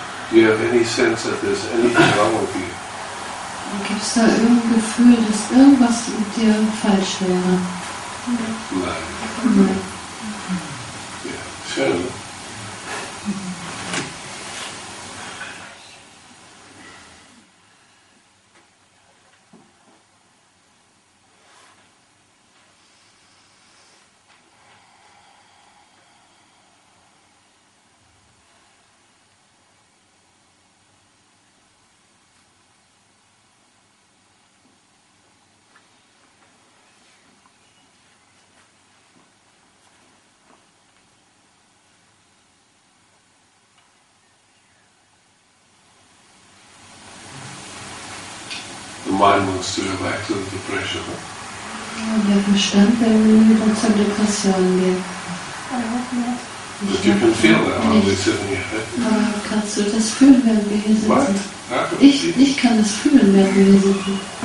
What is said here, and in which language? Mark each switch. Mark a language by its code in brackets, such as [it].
[en] do you have any sense that there's anything wrong with you? [de] Gibt's da irgendein Gefühl, dass irgendwas mit dir falsch wäre? Nein. Nein. Ja, schön. [en] Mind wants to go back to the depression. [de] Der Verstand will wieder zur Depression gehen. [en] But you can feel that while we're sitting here. [de] Kannst du das fühlen, wenn wir hier sitzen? [en] What? [de] Ich kann das fühlen, wenn wir hier sitzen.